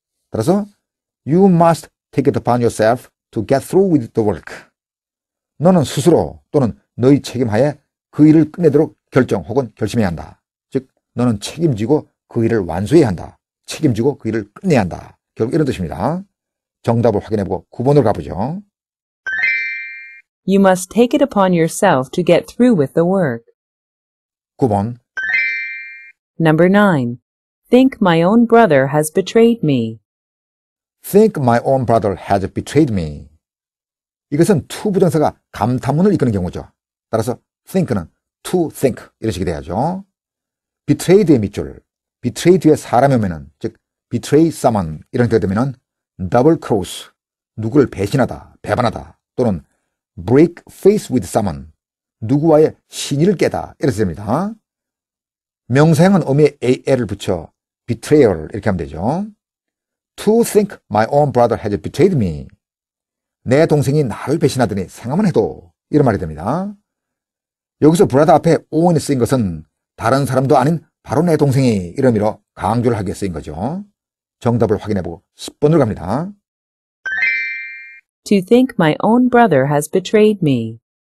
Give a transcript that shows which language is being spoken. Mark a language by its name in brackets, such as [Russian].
[English] 따라서, you must take it upon yourself to get through with the work. [Korean] 너는 스스로 또는 너의 책임하에 그 일을 끝내도록 결정 혹은 결심해야 한다. 즉, 너는 책임지고 그 일을 완수해야 한다. 책임지고 그 일을 끝내야 한다. 결국 이런 뜻입니다. 정답을 확인해보고 9번으로 가보죠. [English] You must take it upon yourself to get through with the work. [Korean] 9번. [English] Number 9. Think my own brother has betrayed me. Think my own brother has betrayed me. [Korean] 이것은 to 부정사가 감탄문을 이끄는 경우죠. 따라서 think는 to think 이런 식이 돼야죠. Betrayed의 밑줄, betrayed의 사람이 오면은, 즉 betray someone 이런 게 되면은 [English] double cross, [Korean] 누구를 배신하다, 배반하다, 또는 [English] break face with someone, [Korean] 누구와의 신의를 깨다, 이렇게 됩니다. 명사형은 어미의 al을 붙여 betrayal 이렇게 하면 되죠. [English] To think my own brother has betrayed me. [Korean] 내 동생이 나를 배신하더니 생각만 해도, 이런 말이 됩니다. 여기서 brother 앞에 on 쓰인 것은 다른 사람도 아닌 바로 내 동생이, 이런 의미로 강조를 하게 쓰인 거죠. 정답을 확인해보고 10번으로 갑니다. [English] To think my own brother has betrayed me.